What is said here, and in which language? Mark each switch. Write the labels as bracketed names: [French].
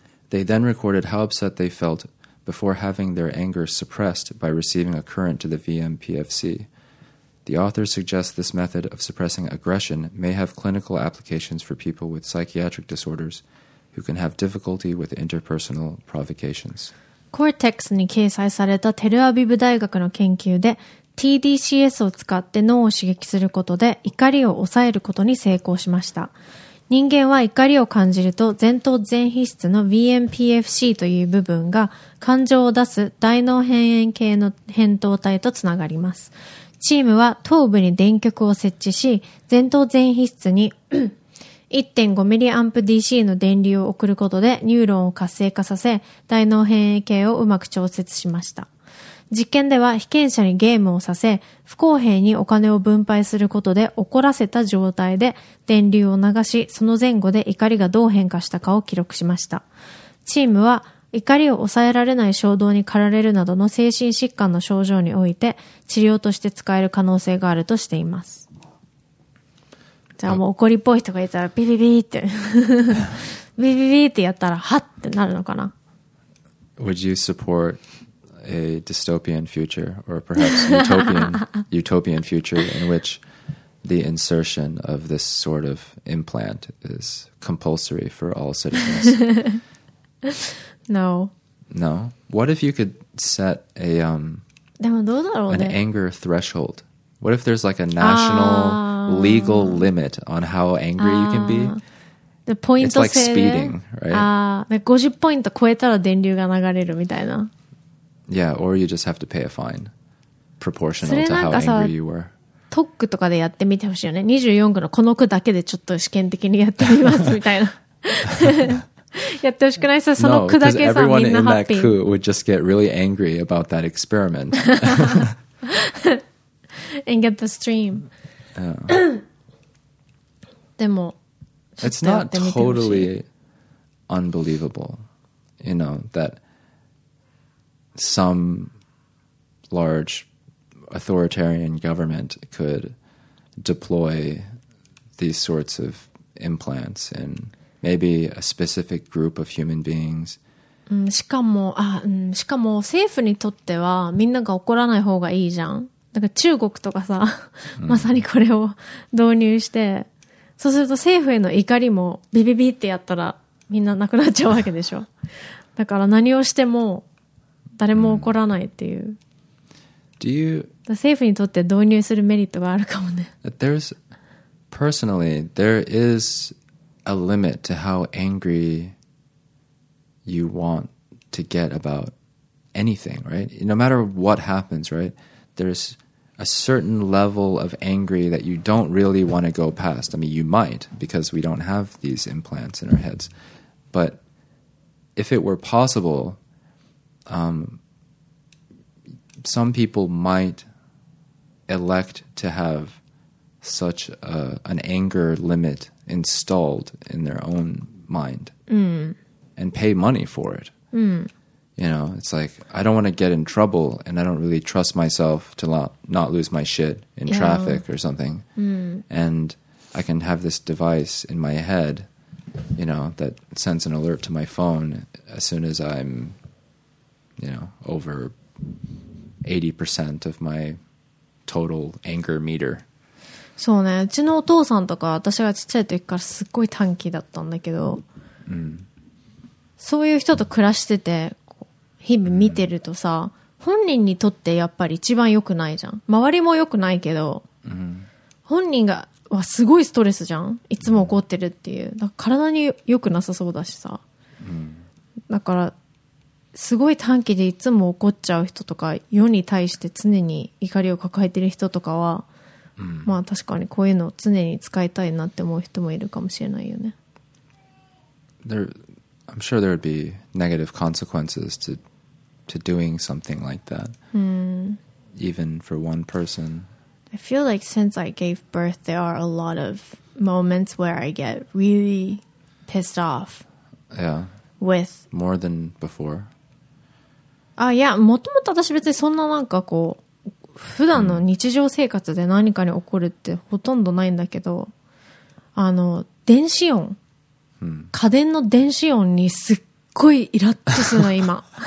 [English] They then recorded how upset they felt before having their anger suppressed by receiving a current to the VMPFC. The authors suggest this method of suppressing aggression may have clinical applications for people with psychiatric disorders who can have difficulty with interpersonal provocations. [Japanese] Cortex に掲載されたテルアビブ大学の研究で TDCS を使って脳を刺激することで怒りを抑えることに成功しました。人間は怒りを感じると前頭前皮質の VMPFC という部分が感情を出す大脳辺縁系の扁桃体とつながります。G チームは頭部に電極を設置し、前頭前皮質に1.5 ミリアンプ DC の電流を送ることでニューロンを活性化させ、大脳辺縁系をうまく調節しました。実験では被験者にゲームをさせ、不公平にお金を分配することで怒らせた状態で電流を流し、その前後で怒りがどう変化したかを記録しました。チームは怒りを抑えられない衝動に駆られるなどの精神疾患の症状において治療として使える可能性があるとしています。じゃあもう怒りっぽい人がいたらビビビってビビビってやったらハッってなるのかな。 [English] Would you support a dystopian future or perhaps utopian future in which the insertion of this sort of implant is compulsory for all citizens? No. What if you could set a an anger threshold? What if there's like a national legal limit on how angry you can be? The point system. It's like speeding, right? Like 50 points [Japanese] 超えたら電流が流れるみたいな。 [English] Yeah, or you just have to pay a fine proportional to how angry you were. [Japanese] TOCとかでやってみてほしいよね。24区のこの区だけでちょっと試験的にやってみますみたいな。やってほしくないさ、その区だけさ、みんなハッピー。 [English] No, because everyone in that coup would just get really angry about that experiment. And get the stream. [Japanese] でも、 [English] It's not totally unbelievable, you know, that some large authoritarian government could deploy these sorts of implants in... Maybe a specific group of human beings. [Japanese] しかも、しかも政府にとってはみんなが怒らない方がいいじゃん。だから中国とかさ、まさにこれを導入して、そうすると政府への怒りもビビビってやったらみんななくなっちゃうわけでしょ。だから何をしても誰も怒らないっていう。 [English] Do you? [Japanese] 政府にとって導入するメリットがあるかもね。 [English] There's personally there is. A limit to how angry you want to get about anything, right? No matter what happens, right? There's a certain level of angry that you don't really want to go past. I mean, you might, because we don't have these implants in our heads. But if it were possible, some people might elect to have such an anger limitinstalled in their own mind、and pay money for it、you know it's like I don't want to get in trouble and I don't really trust myself to not lose my shit in、traffic or something、and I can have this device in my head you know that sends an alert to my phone as soon as I'm you know over 80% of my total anger meter [Japanese] そうね。うちのお父さんとか、私がちっちゃい時からすっごい短気だったんだけど、そういう人と暮らしてて、日々見てるとさ、本人にとってやっぱり一番良くないじゃん。周りも良くないけど、本人が、わ、すごいストレスじゃん。いつも怒ってるっていう。だから体に良くなさそうだしさ。だから、すごい短気でいつも怒っちゃう人とか、世に対して常に怒りを抱えてる人とかは、まあ確かにこういうのを常に使いたいなって思う人もいるかもしれないよね。 [English] I'm sure there would be negative consequences to doing something like that. Even for one person. I feel like since I gave birth, there are a lot of moments where I get really pissed off. Yeah. With more than before. [Japanese] あ、いや、もともと私別にそんななんかこう。普段の日常生活で何かに起こるってほとんどないんだけど、電子音、家電の電子音にすっごいイラッとするの今。